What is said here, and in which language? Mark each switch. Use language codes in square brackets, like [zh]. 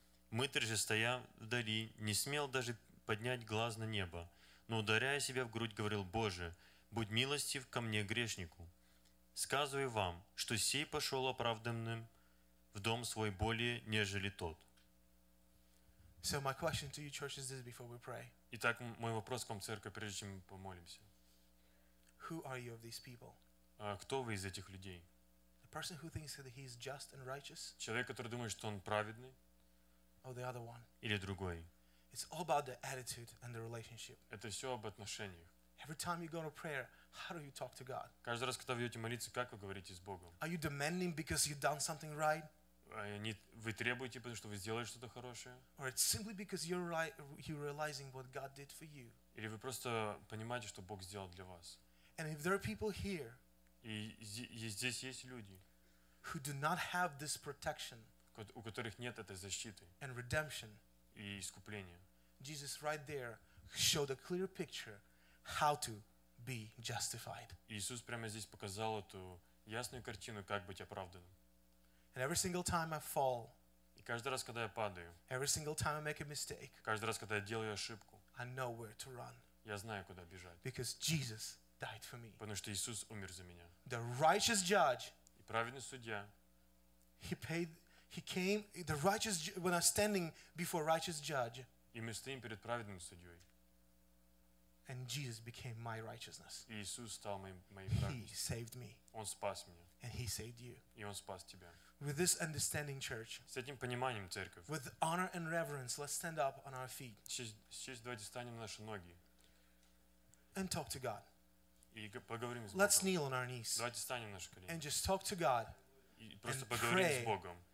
[ru] Мытарь же, стоя вдали, не смел даже поднять глаз на небо, но, ударяя себя в грудь, говорил: Боже, будь милостив ко мне, грешнику. Сказываю вам, что сей пошел оправданным в дом свой более, нежели тот. [en] So my question to you, church, is this before we pray. [ru] Итак, мой вопрос к вам, церковь, прежде чем мы помолимся. [en] Who are you of these people? [ru] Кто вы из этих людей? [en] The person who thinks that he is just and righteous? [ru] Человек, который думает, что он праведный? [en] Or the other one? [ru] Или другой? [en] It's all about the attitude and the relationship. [ru] Это все об отношениях. [en] Every time you go to prayer, how do you talk to God? [ru] Каждый раз, когда вы идете молиться, как вы говорите с Богом? [en] Are you demanding because you've done something right? [ru] Вы требуете, потому что вы сделали что-то хорошее? [en] Or it's simply because you're realizing what God did for you? [ru] Или вы просто понимаете, что Бог сделал для вас? [en] And if there are people here, [ru] и здесь есть люди, [en] who do not have this protection, [ru] у которых нет этой защиты, [en] and redemption, [ru] и искупления, [en] Jesus right there showed a clear picture. How to be justified? [ru] Иисус прямо здесь показал эту ясную картину, как быть оправданным. [en] And every single time I fall, [ru] и каждый раз, когда я падаю, [en] every single time I make a mistake, [ru] каждый раз, когда я делаю ошибку, [en] I know where to run. [ru] Я знаю, куда бежать. [en] Because Jesus died for me. [ru] Потому что Иисус умер за меня. [en] The righteous judge, [ru] и праведный судья, [en] he came. The righteous when I'm standing before righteous judge, [ru] и мы стоим перед праведным судьей. [en] And Jesus became my righteousness. [ru] Иисус стал моей праведностью. [en] He saved me. [ru] Он спас меня. [en] And he saved you. [ru] И он спас тебя. [en] With this understanding, church. [ru] С этим пониманием, церковь. [en] With honor and reverence, let's stand up on our feet. [ru] Честь, давайте встанем на наши ноги. [en] And talk to God. [ru] И поговорим с Богом. [en] Let's kneel on our knees. [ru] Давайте встанем на наши колени. [en] And just talk to God. [ru] И просто поговорим с Богом.